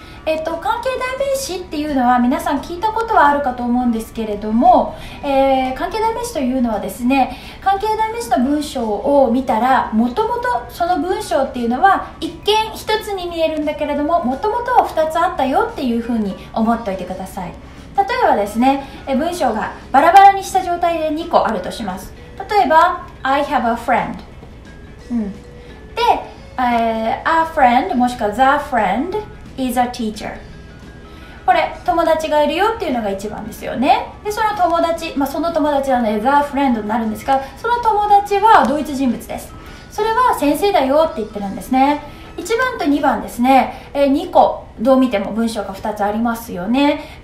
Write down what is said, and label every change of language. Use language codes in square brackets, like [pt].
[ja] 関係代名詞っていうのは皆さん聞いたことはあるかと思うんですけれども、関係代名詞というのはですね、関係代名詞の文章を見たら、もともとその文章っていうのは一見一つに見えるんだけれども、もともとは二つあったよっていうふうに思っておいてください。例えばですね、文章がバラバラにした状態で2個あるとします。例えば [en] I have a friend、で、A friend [ja] もしくは [en] The friendis a teacher。 [ja] これ友達がいるよっていうのが一番ですよね。でその友達、まあ、その友達はね、 [en] the friend [ja] になるんですが、その友達はドイツ人物です。それは先生だよって言ってるんですね。1番と2番ですね、2個どう見ても文章が2つありますよね。